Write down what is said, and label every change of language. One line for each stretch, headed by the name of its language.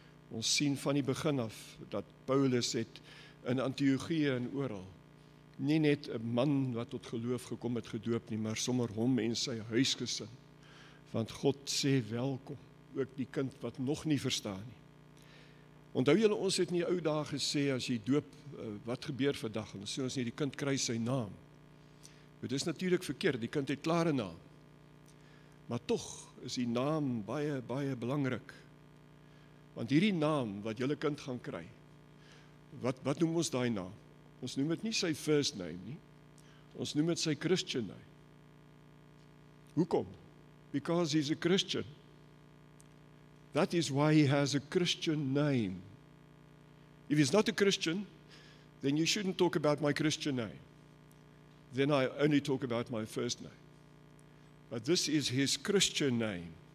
Afrikaans: Ons sien van die begin af dat Paulus het in Antiochië en oral nie net 'n man wat tot geloof gekom het gedoop nie, maar sommer hom en sy huisgesin. Want God sê welkom, ook die kind wat nog nie verstaan nie. Onthou julle, ons het in die ou dae gesê, as jy doop, wat gebeur vandag? En sê ons nie, die kind kry sy naam. Dit is natuurlik verkeerd, die kind het klare naam. Maar toch is die naam baie, baie belangrik. Want hierdie naam wat julle kind gaan kry, wat noem ons daai naam? Ons noem het nie sy first name nie, ons noem het sy Christian name. Hoekom?
English: Because he's a Christian. That is why he has a Christian name. If he's not a Christian, then you shouldn't talk about my Christian name. Then I only talk about my first name. But this is his Christian name.